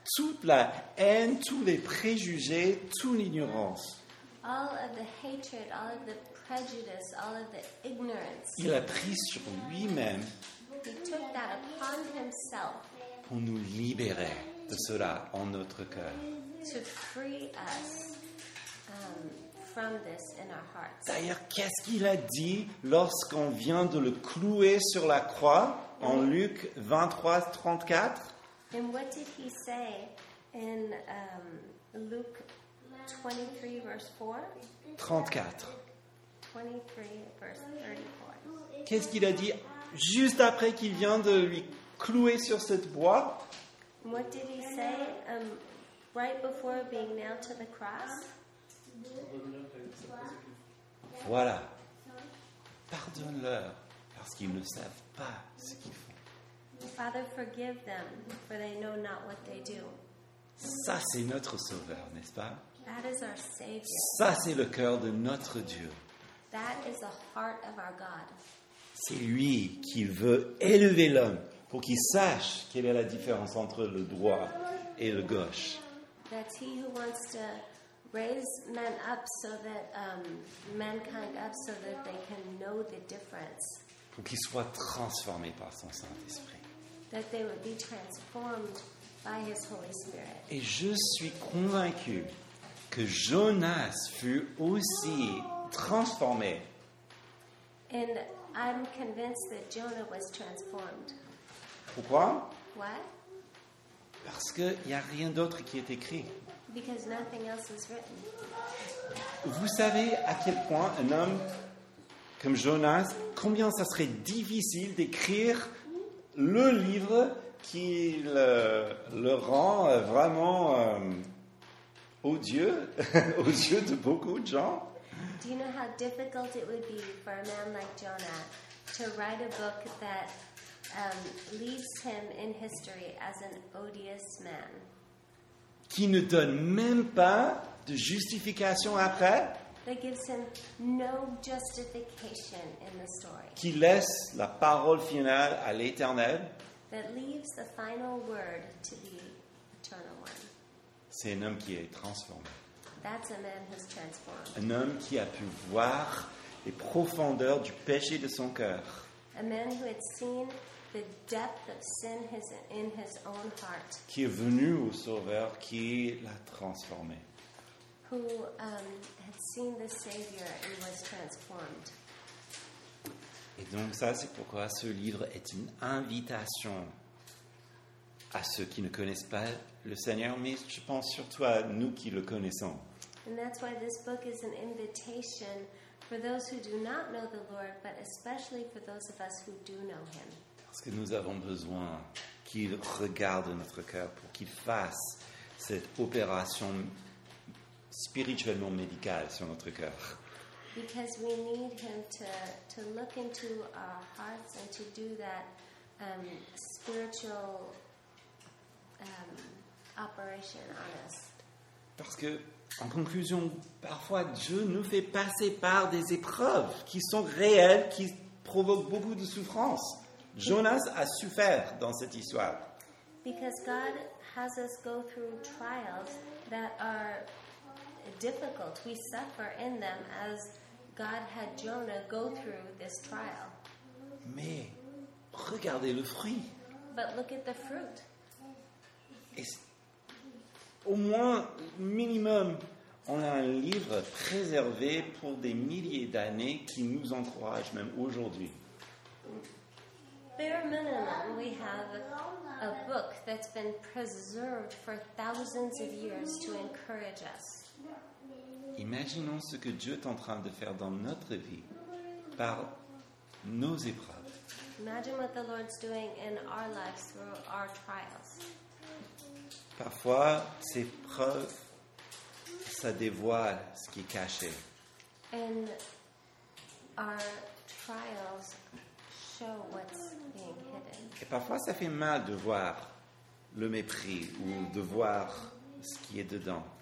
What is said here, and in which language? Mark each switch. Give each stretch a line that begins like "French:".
French: Toute la haine, tous les préjugés, toute l'ignorance.
English: All of the hatred, all of the prejudice, all of the ignorance.
French: Il a pris sur lui-même.
English: He took that upon himself.
French: Pour nous libérer de cela en notre cœur.
English: To free us from this in our hearts.
French: D'ailleurs, qu'est-ce qu'il a dit lorsqu'on vient de le clouer sur la croix? En Luc 23, 34.
English: And what did he say in Luke 23, verse 4? 34. 23, verse 34.
French: Qu'est-ce qu'il a dit juste après qu'il vient de lui clouer sur cette bois?
English: What did he say right before being nailed to the cross?
French: Voilà. Pardonne-leur parce qu'ils ne savent pas ce qu'ils font.
English: Father, forgive them, for they know not what they do.
French: Ça, c'est notre sauveur, n'est-ce pas?
English: That is our savior.
French: Ça, c'est le cœur de notre Dieu.
English: That is the heart of our God.
French: C'est lui qui veut élever l'homme pour qu'il sache quelle est la différence entre le droit et le gauche.
English: That's he who wants to raise men up so that mankind up so that they can know the difference.
French: Pour qu'ils soient transformés par son Saint-Esprit.
English: That they would be transformed by his Holy Spirit.
French: Et je suis convaincu que Jonas fut aussi transformé.
English: And I'm convinced that Jonah was transformed.
French: Pourquoi?
English: Why?
French: Parce qu'il n'y a rien d'autre qui est écrit.
English: Because nothing else is written.
French: Vous savez à quel point un homme comme Jonas, combien ça serait difficile d'écrire le livre qui le rend vraiment odieux aux yeux de beaucoup de gens.
English: Do you know how difficult it would be for a man like Jonah to write a book that leaves him in history as an odious man?
French: Qui ne donne même pas de justification après?
English: That gives him no justification in the story.
French: Qui laisse la parole finale à l'Éternel?
English: That leaves the final word to the Eternal One.
French: C'est un homme qui est transformé.
English: That's a man who's transformed.
French: Un homme qui a pu voir les profondeurs du péché de son cœur.
English: A man who had seen the depth of sin in his own heart.
French: Qui est venu au Sauveur, qui l'a transformé.
English: Who had seen the Savior and was transformed.
French: Et donc ça, c'est pourquoi ce livre est une invitation à ceux qui ne connaissent pas le Seigneur, mais je pense surtout à nous qui le connaissons.
English: And that's why this book is an invitation for those who do not know the Lord, but especially for those of us who do know Him.
French: Parce que nous avons besoin qu'il regarde notre cœur pour qu'il fasse cette opération spirituellement médicale sur notre cœur.
English: Because we need him to look into our hearts and to do that spiritual operation on us.
French: Parce que, en conclusion, parfois Dieu nous fait passer par des épreuves qui sont réelles, qui provoquent beaucoup de souffrance. Jonas a souffert dans cette histoire.
English: Because God has us go through trials that are difficult. We suffer in them as God had Jonah go through this trial.
French: Mais regardez le fruit.
English: But look at the fruit.
French: Au moins, minimum, on a un livre préservé pour des milliers d'années qui nous encourage même aujourd'hui.
English: Bare minimum, we have a book that's been preserved for thousands of years to encourage us.
French: Imaginons ce que Dieu est en train de faire dans notre vie par nos épreuves.
English: Imagine what the Lord's doing in our lives through our trials.
French: Parfois, ces preuves, ça dévoile ce qui est caché.
English: And our trials show what's being hidden.
French: Et parfois, ça fait mal de voir le mépris ou de voir ce qui est dedans.